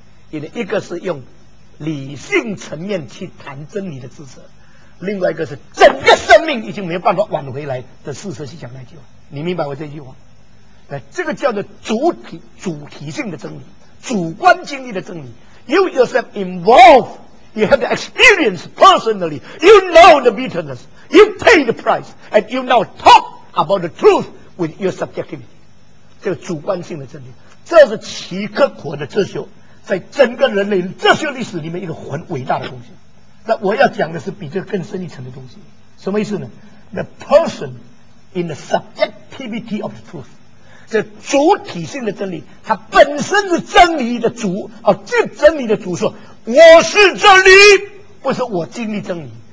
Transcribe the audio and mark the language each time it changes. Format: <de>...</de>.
<zh>一个是用理性层面去谈真理的自责，另外一个是整个生命已经没有办法挽回来的事实去讲那句话。你明白我这句话？那这个叫做主体性的真理，主观经历的真理。</zh> <en>You yourself involved, you have the experience personally, you know the bitterness, you pay the price, and you now talk about the truth with your subjectivity。</en> <zh>这个主观性的真理，这是齐克果的哲学，在整个人类哲学历史里面一个很伟大的东西。那我要讲的是比这个更深一层的东西。什么意思呢？</zh> <en>The person in the subjectivity of the truth，</en> <zh>这主体性的真理，它本身是真理的主，哦，这真理的主说我是真理，不是我经历真理。</zh>